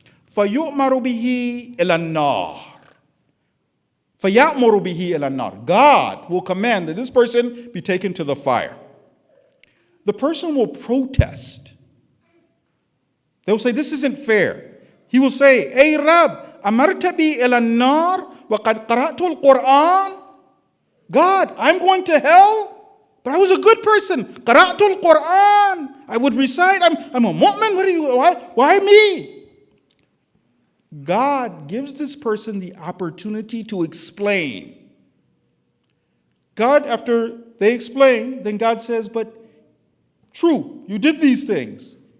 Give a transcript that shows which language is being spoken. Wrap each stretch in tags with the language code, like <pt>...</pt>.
<ar>Fayu'maru bihi ilannar. فَيَأْمُرُ بِهِ إِلَى النَّارِ.</ar> <en>God will command that this person be taken to the fire. The person will protest. They'll say, this isn't fair. He will say,</en> <ar>أَيْ رَبْ أَمَرْتَ بِي إِلَى النَّارِ وَقَدْ قَرَأْتُ الْقُرْآنِ.</ar> <en>God, I'm going to hell? But I was a good person.</en> <ar>قَرَأْتُ الْقُرْآنِ.</ar> <en>I would recite, I'm a mu'min. What are you, why me? God gives this person the opportunity to explain. God, after they explain, then God says, but true, you did these things.</en>